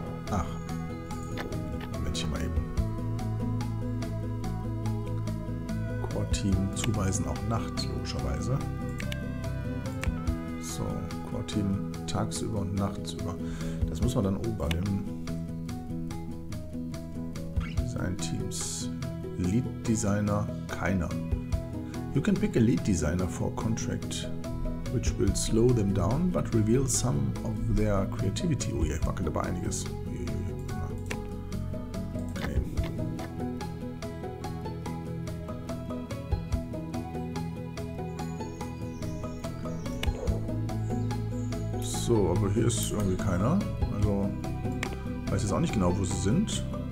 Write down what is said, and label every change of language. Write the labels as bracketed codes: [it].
[de] Ach. Moment, hier mal eben. Core-Team zuweisen auch Nacht, logischerweise. So, Core-Team tagsüber und nachtsüber. Das muss man dann oben bei dem Design-Teams. Lead-Designer, keiner. [en] You can pick a Lead-Designer for a contract. Which will slow them down, but reveal some of their creativity. [de] Oh ja, ich wackel dabei einiges. Okay. So, aber hier ist irgendwie keiner. Also, weiß jetzt auch nicht genau, wo sie sind.